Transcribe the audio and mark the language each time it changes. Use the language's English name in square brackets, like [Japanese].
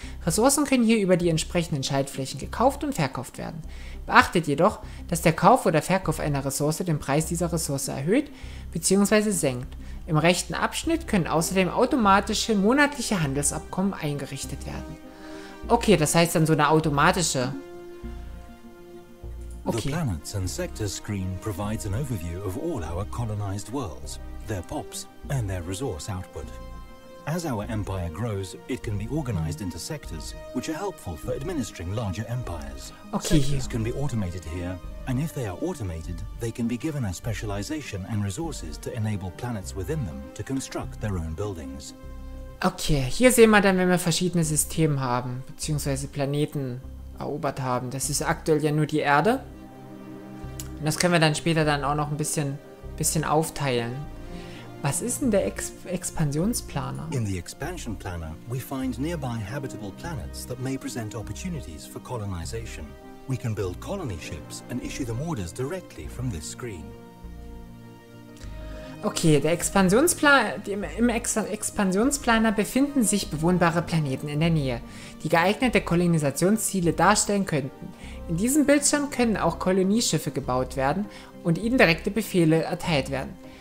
[German] Ressourcen können hier über die entsprechenden Schaltflächen gekauft und verkauft werden. Beachtet jedoch, dass der Kauf oder Verkauf einer Ressource den Preis dieser Ressource erhöht bzw. senkt. Im rechten Abschnitt können außerdem automatische monatliche Handelsabkommen eingerichtet werden. Okay, das heißt dann so eine automatische... [English] The planets and sectors screen provides an overview of all our colonized worlds, their pops, and their resource output. As our empire grows, it can be organized into sectors, which are helpful for administering larger empires. Okay. Sectors can be automated here, and if they are automated, they can be given a specialization and resources to enable planets within them to construct their own buildings. [German] Okay, hier sehen wir dann, wenn wir verschiedene Systeme haben, beziehungsweise Planeten. Erobert haben. Das ist aktuell ja nur die Erde. Und das können wir dann später dann auch noch ein bisschen aufteilen. Was ist denn der Expansionsplaner? In the expansion planner, we find nearby habitable planets that may present opportunities for colonization. We can build colony ships and issue them orders directly from this screen. Okay, der Expansionsplaner befinden sich bewohnbare Planeten in der Nähe, die geeignete Kolonisationsziele darstellen könnten. In diesem Bildschirm können auch Kolonieschiffe gebaut werden und ihnen direkte Befehle erteilt werden.